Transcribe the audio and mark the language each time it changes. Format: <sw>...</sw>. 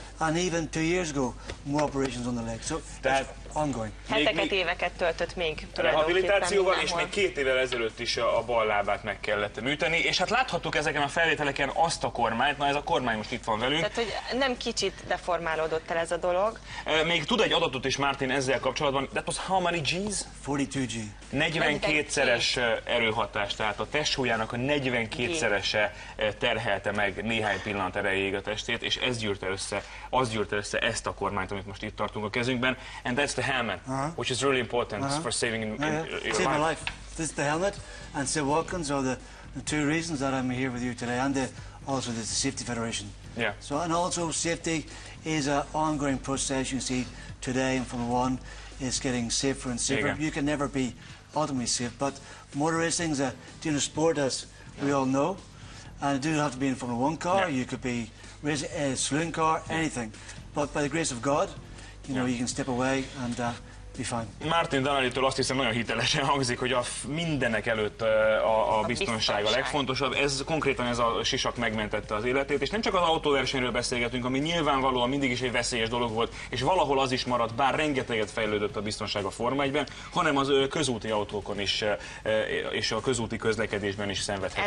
<en>And even 2 years ago, more operations on the leg. So, ongoing.</en> <hu>Heteket, éveket töltött még. Rehabilitációval, és még 2 évvel ezelőtt is a bal lábát meg kellett műteni. És hát láthattuk ezeken a felvételeken azt a kormányt, na ez a kormány most itt van velünk. Tehát, hogy nem kicsit deformálódott el ez a dolog. Még tud egy adatot is Martin ezzel kapcsolatban.</hu> <en>That was how many G's? 42 G.</en> <hu>42-szeres erőhatás, tehát a testsúlyának a 42-szerese terhelte meg néhány pillanat erejéig a testét, és ez gyűrte össze, az gyűrte össze ezt a kormányt, amit most itt tartunk a kezünkben.</hu> <en>And that's the helmet, which is really important for saving your life. This is the helmet, and Sir Watkins are the two reasons that I'm here with you today, and also the Safety Federation. Yeah. So, and also safety is an ongoing process, you see, today and from one. It's getting safer and safer. You can never be ultimately safe, but motor racing is a dangerous sport, as we all know. And it doesn't have to be in Formula One car, you could be racing a saloon car, anything. But by the grace of God, you know, you can step away and be fine.</en> <hu>Martin Donnellytől azt hiszem nagyon hitelesen hangzik, hogy a mindenek előtt a biztonság a legfontosabb. Ez konkrétan ez a sisak megmentette az életét, és nem csak az autóversenyről beszélgetünk, ami nyilvánvalóan mindig is egy veszélyes dolog volt, és valahol az is maradt, bár rengeteget fejlődött a biztonság a Forma 1-ben, hanem az közúti autókon is és a közúti közlekedésben is szenvedhetünk.</hu>